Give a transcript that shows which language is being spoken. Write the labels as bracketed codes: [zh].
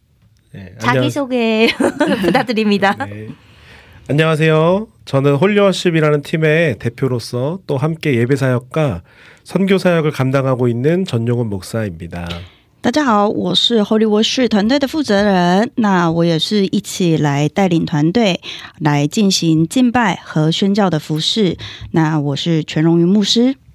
[zh] 哇，刚才的敬拜赞美真的非常棒，非常棒。对，太感动了。我们刚刚坐在外面听。对，是。那我们请全牧师是做一下自我介绍吧。好的，欢迎欢迎牧师。可以做一下，可以做一下简单的自我介绍吗？ [ko] 자기소개부탁드립니다。 안녕하세요. 저는 홀리워십이라는 팀의 대표로서 또 함께 예배사역과 선교사역을 감당하고 있는 전용훈 목사입니다. [zh] 大家好,我是 홀리워십 团队的负责人,那我也是一起来带领团队来进行敬拜和宣教的服事,那我是全荣云牧师。